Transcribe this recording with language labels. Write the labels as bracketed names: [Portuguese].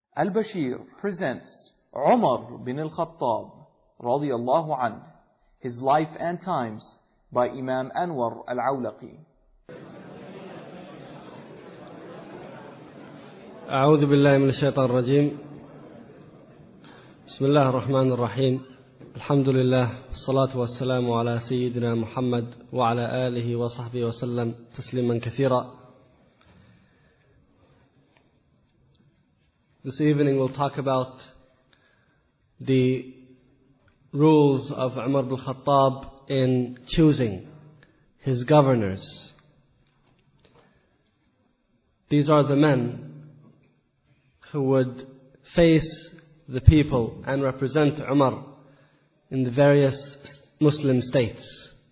[English] Al-Bashir presents Umar bin al-Khattab, radiallahu anhu, his life and times by Imam Anwar al-Awlaqi. [Arabic] أعوذ بالله من الشيطان الرجيم بسم الله الرحمن الرحيم الحمد لله والصلاة والسلام على سيدنا محمد وعلى آله وصحبه وسلم تسليما كثيرا. [English] This evening we'll talk about the rules of Umar bin al-Khattab in choosing his governors. These are the men who would face the people and represent Umar in the various Muslim states.